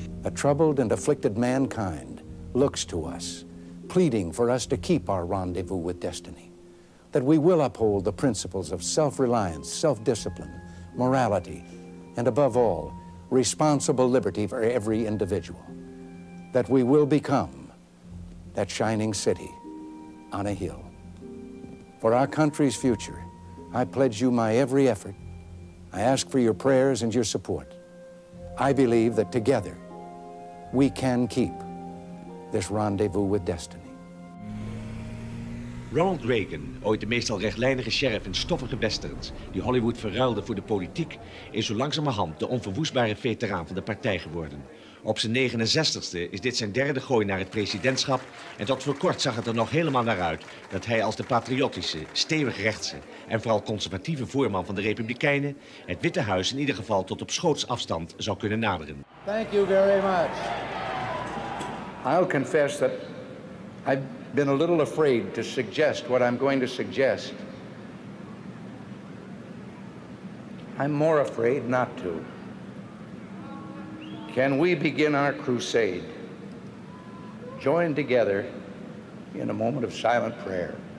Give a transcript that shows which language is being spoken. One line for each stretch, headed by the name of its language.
English: A troubled and afflicted mankind looks to us, pleading for us to keep our rendezvous with destiny, that we will uphold the principles of self-reliance, self-discipline, morality, and above all, responsible liberty for every individual, that we will become that shining city on a hill. For our country's future, I pledge you my every effort. I ask for your prayers and your support. I believe that together we can keep this rendezvous with destiny.
Dutch: Ronald Reagan, ooit de meestal rechtlijnige sheriff in stoffige westerns die Hollywood verruilde voor de politiek, is zo langzamerhand de onverwoestbare veteraan van de partij geworden. Op zijn 69ste is dit zijn derde gooi naar het presidentschap en tot voor kort zag het er nog helemaal naar uit dat hij als de patriotische, stevig rechtse en vooral conservatieve voorman van de Republikeinen het Witte Huis in ieder geval tot op schootsafstand zou kunnen naderen.
English: Thank you very much. I'll confess that I've been a little afraid to suggest what I'm going to suggest. I'm more afraid not to. Can we begin our crusade? Join together in a moment of silent prayer.